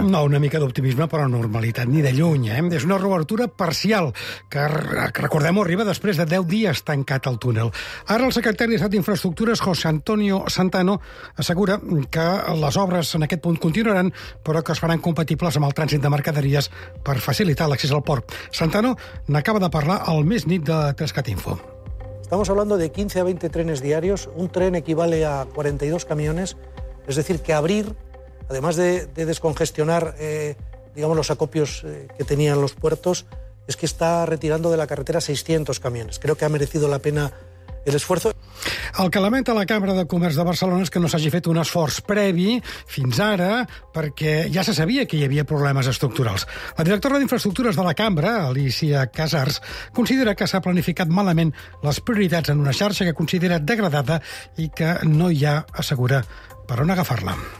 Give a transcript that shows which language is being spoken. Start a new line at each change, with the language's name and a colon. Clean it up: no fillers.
Catalan: No, una mica d'optimisme, però normalitat ni de lluny. És una reobertura parcial, que recordem-ho, arriba després de 10 dies tancat el túnel. Ara el secretari d'Estat d'Infraestructures, José Antonio Santana, no, assegura que les obres en aquest punt continuaran, però que es faran compatibles amb el trànsit de mercaderies per facilitar l'accés al port. Santano n'acaba de parlar al Més Nit de Trescat Info.
Spanish: Estamos hablando de 15 a 20 trenes diarios. Un tren equivale a 42 camiones. Es decir, que abrir, además de descongestionar digamos los acopios que tenían los puertos, es que está retirando de la carretera 600 camiones. Creo que ha merecido la pena el esfuerzo.
Catalan: El que lamenta la Cambra de Comerç de Barcelona és que no s'hagi fet un esforç previ fins ara, perquè ja se sabia que hi havia problemes estructurals. La directora d'Infraestructures de la Cambra, Alicia Casars, considera que s'ha planificat malament les prioritats en una xarxa que considera degradada i que no hi ha, assegura, per on agafar-la.